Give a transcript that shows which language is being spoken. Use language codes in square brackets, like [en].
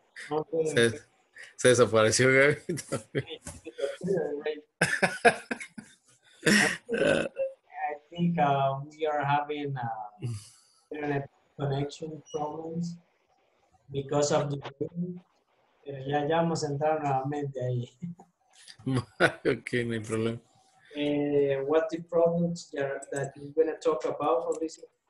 [en] Okay. [es] Se desapareció Gaby. [en] I think we are having internet connection problems because of the wind. [es] Pero ya, ya vamos a entrar nuevamente ahí. Okay, no hay problema. [en] What the problems that you're going to talk about for this?